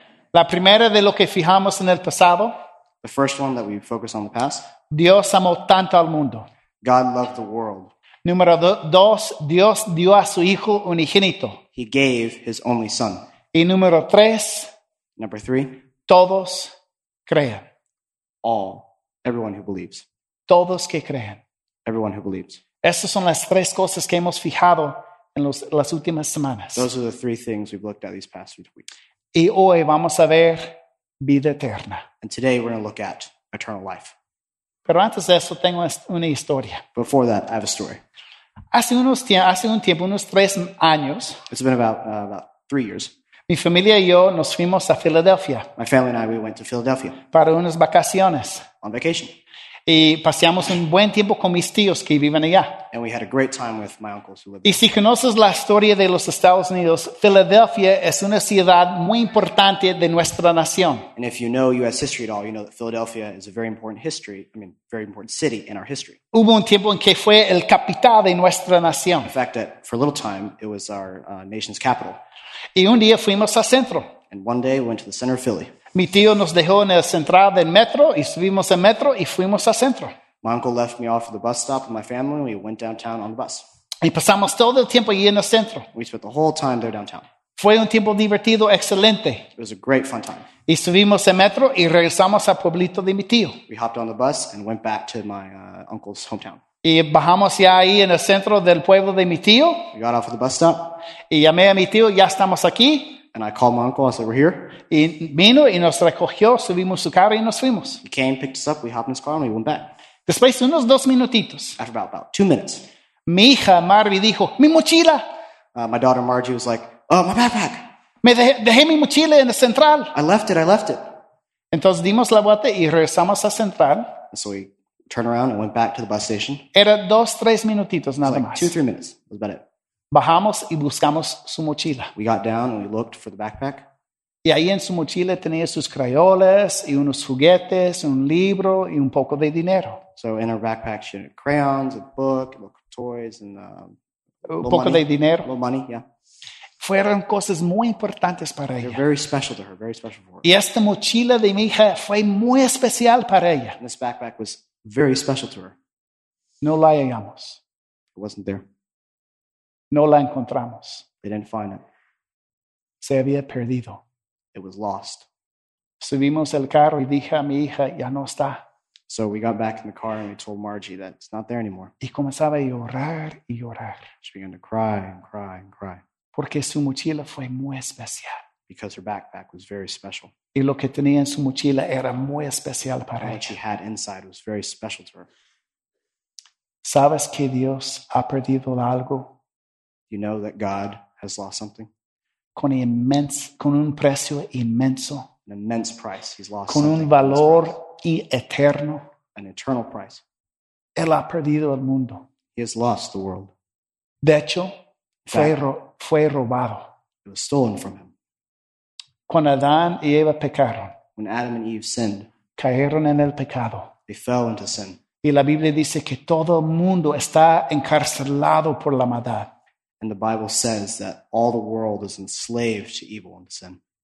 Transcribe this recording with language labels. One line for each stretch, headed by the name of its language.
Spanish: La primera de lo que fijamos en el pasado.
English: The first one that we focused on the past.
Spanish: Dios amó tanto al mundo.
English: God loved the world.
Spanish: Número dos, Dios dio a su hijo unigénito.
English: He gave his only son.
Spanish: Y número tres.
English: Number three.
Spanish: Todos crean.
English: All. Everyone who believes.
Spanish: Todos que crean.
English: Everyone who believes.
Spanish: Esas son las tres cosas que hemos fijado en las últimas semanas.
English: Those are the three things we've looked at these past few weeks.
Spanish: Y hoy vamos a ver vida eterna.
English: And today we're going to look at eternal life.
Spanish: Pero antes de eso tengo una historia.
English: Before that, I have a story.
Spanish: Hace un tiempo, unos tres años.
English: It's been about 3 years.
Spanish: Mi familia y yo nos fuimos a Filadelfia.
English: My family and I, we went to Philadelphia.
Spanish: Para unas vacaciones.
English: On vacation.
Spanish: Y paseamos un buen tiempo con mis tíos que viven allá.
English: And we had a great time with my uncles who live there.
Spanish: Y si conoces la historia de los Estados Unidos, Filadelfia es una ciudad muy importante de nuestra nación.
English: And if you know U.S. history at all, you know that Philadelphia is a very important city in our history.
Spanish: Hubo un tiempo en que fue el capital de nuestra nación.
English: In fact, that for a little time, it was our nation's capital.
Spanish: Y un día fuimos al centro.
English: And one day we went to the center of Philly.
Spanish: Mi tío nos dejó en el central del metro y subimos el metro y fuimos al centro.
English: My uncle left me off at the bus stop with my family and we went downtown on the bus.
Spanish: Y pasamos todo el tiempo allí en el centro.
English: We spent the whole time there downtown.
Spanish: Fue un tiempo divertido, excelente.
English: It was a great fun time.
Spanish: Y subimos el metro y regresamos al pueblito de mi tío.
English: We hopped on the bus and went back to my uncle's hometown.
Spanish: Y bajamos ya ahí en el centro del pueblo de mi tío.
English: We got off at the bus stop.
Spanish: Y llamé a mi tío, ya estamos aquí.
English: And I called my uncle, I said, we're here.
Spanish: Y vino y nos recogió, subimos su carro y nos fuimos.
English: He came, picked us up, we hopped in his car and we went back.
Spanish: Después de unos dos minutitos.
English: After about 2 minutes.
Spanish: Mi hija Margie dijo, mi mochila.
English: My daughter Margie was like, oh, my backpack.
Spanish: Me dejé mi mochila en el central.
English: I left it.
Spanish: Entonces dimos la vuelta y regresamos al central.
English: So we turned around and went back to the bus station.
Spanish: Era dos, tres minutitos nada más.
English: 2-3 minutes. That was about it.
Spanish: Bajamos y buscamos su mochila.
English: We got down and we looked for the backpack.
Spanish: Y ahí en su mochila tenía sus crayolas y unos juguetes, un libro y un poco de dinero.
English: So in her backpack she had crayons, a book, toys and
Spanish: un poco
English: money,
Spanish: de dinero.
English: Little money, yeah.
Spanish: Fueron cosas muy importantes para ella.
English: They're very special to her, very special for her.
Spanish: Y esta mochila de mi hija fue muy especial para ella.
English: And this backpack was very special to her.
Spanish: No la hallamos.
English: It wasn't there.
Spanish: No la encontramos.
English: They didn't find it.
Spanish: Se había perdido.
English: It was lost.
Spanish: Subimos el carro y dije a mi hija, ya no está.
English: So we got back in the car and we told Margie that it's not there anymore.
Spanish: Y comenzaba a llorar y llorar.
English: She began to cry and cry and cry.
Spanish: Porque su mochila fue muy especial.
English: Because her backpack was very special.
Spanish: Y lo que tenía en su mochila era muy especial para ella.
English: What she had inside was very special to her.
Spanish: ¿Sabes que Dios ha perdido algo?
English: You know that God has lost something?
Spanish: Con un precio inmenso.
English: An immense price. He's lost
Spanish: con un valor y eterno.
English: An eternal price.
Spanish: Él ha perdido el mundo.
English: He has lost the world.
Spanish: De hecho, fue robado.
English: It was stolen from him.
Spanish: Cuando Adán y Eva pecaron.
English: When Adam and Eve sinned.
Spanish: Cayeron en el pecado.
English: They fell into sin.
Spanish: Y la Biblia dice que todo el mundo está encarcelado por la maldad.
English: And the Bible says that all the world is enslaved to evil and sin.